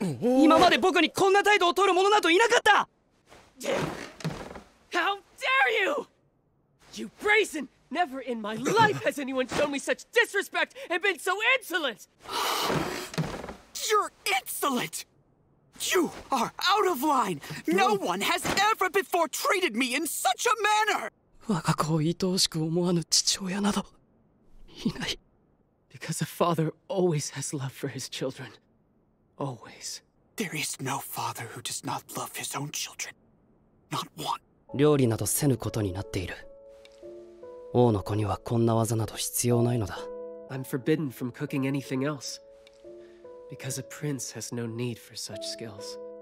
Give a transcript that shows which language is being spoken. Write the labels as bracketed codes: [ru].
[ja] 今まで僕にこんな態度を取る者などいなかった！ [en] How dare you! You brazen! Never in my life has anyone shown me such disrespect and been so insolent! You're insolent! You are out of line! No one has ever before treated me in such a manner! [ja] 我が子を愛おしく思わぬ父親などいない。 [en] Because a father always has love for his children. Always. There is no father who does not love his own children. Not one. [ja] 料理などせぬことになっている。王の子にはこんな技など必要ないのだ。 [en] I'm forbidden from cooking anything else.Because a prince has no need for such skills.